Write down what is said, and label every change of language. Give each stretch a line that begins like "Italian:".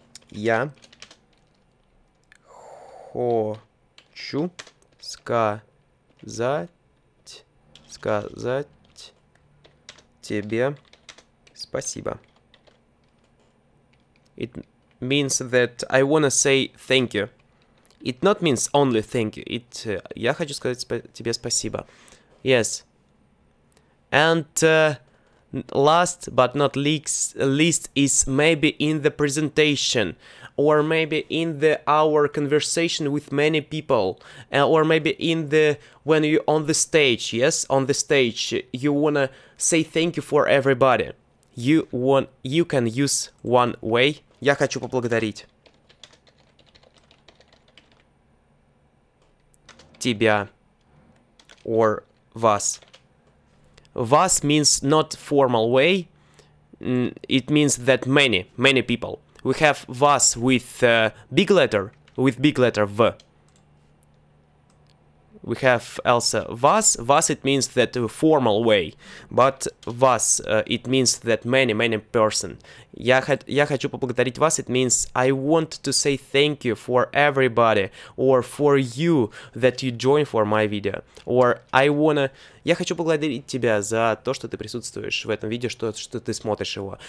Russian: Я хочу сказать тебе спасибо.
English: It means that I wanna say thank you. It not means only thank you.
Russian: Я хочу сказать тебе спасибо.
English: Yes. And last but not least is maybe in the presentation, or maybe in the our conversation with many people, or maybe in the when you on the stage. Yes, on the stage, you wanna say thank you for everybody. You can use one way.
Russian: Я хочу поблагодарить тебя, or вас.
English: Вас means not formal way. It means that many, many people. We have вас with big letter, with big letter V. We have also вас. Вас it means that formal way, but вас it means that many, many person.
Russian: Я хочу поблагодарить вас.
English: It means I want to say thank you for everybody or for you that you join for my video. Or I wanna.
Russian: Я хочу поблагодарить тебя за то, что ты присутствуешь в этом видео, что ты смотришь его.